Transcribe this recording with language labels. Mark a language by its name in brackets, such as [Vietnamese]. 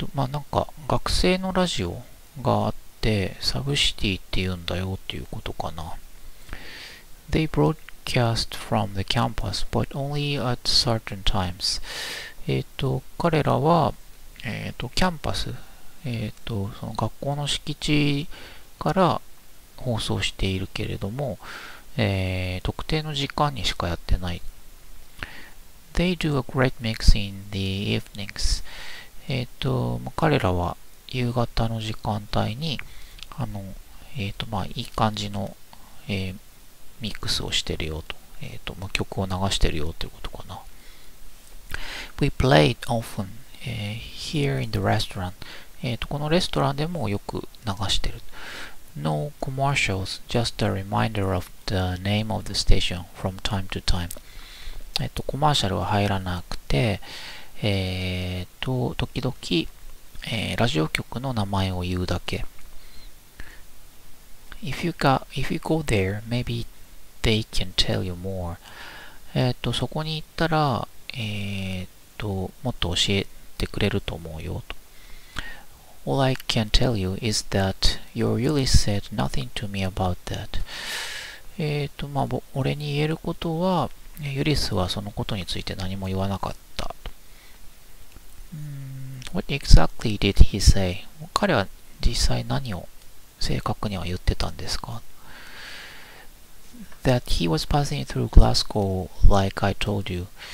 [Japanese] まあ、なんか、学生のラジオがあって、サブシティって言うんだよっていうことかな。 [English] They broadcast from the campus, but only at certain times. [Japanese] 彼らは、キャンパス、その学校の敷地から、放送しているけれども、特定の時間にしかやってない。 [English] They do a great mix in the evenings. [Japanese] 彼らは夕方の時間帯に、まあ、いい感じの、ミックスをしてるよと。まあ、曲を流してるよということかな。 [English] We play it often, here in the restaurant. [Japanese] このレストランでもよく流してる。 [English] No commercials, just a reminder of the name of the station from time to time. [Japanese] コマーシャルは入らなくて、時々、ラジオ局の名前を言うだけ。 [English] If you go there, maybe they can tell you more. [Japanese] そこに行ったら、もっと教えてくれると思うよと。 [English] All I can tell you is that you really said nothing to me about that. [Japanese] まあ、俺に言えることは、ユリスはそのことについて何も言わなかったと。 [English] What exactly did he say? [Japanese] 彼は実際何を正確には言ってたんですか？ [English] That he was passing through Glasgow like I told you.